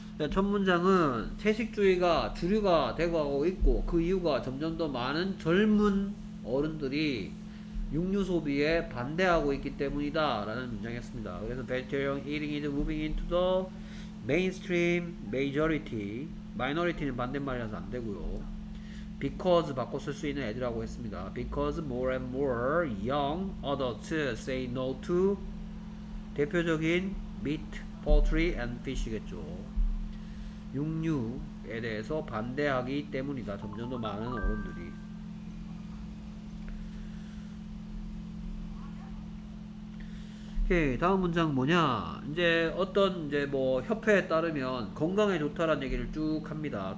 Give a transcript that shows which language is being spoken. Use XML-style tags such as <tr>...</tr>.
<ko>첫 문장은 채식주의가 주류가 되고 있고 그 이유가 점점 더 많은 젊은 어른들이 육류 소비에 반대하고 있기 때문이다 라는 문장이었습니다.</ko> <en>그래서 vegetarian eating is moving into the mainstream majority.</en> <ko>minority는 반대말이라서 안 되고요. because 바꿔 쓸 수 있는 애들하고 했습니다.</ko> <en>because more and more young adults say no to</en> <ko>대표적인</ko> <en>meat, poultry and fish겠죠.</en> <ko>육류에 대해서 반대하기 때문이다. 점점 더 많은 어른들이. 오케이, 다음 문장 뭐냐? 이제 어떤 이제 뭐 협회에 따르면 건강에 좋다라는 얘기를 쭉 합니다.</ko>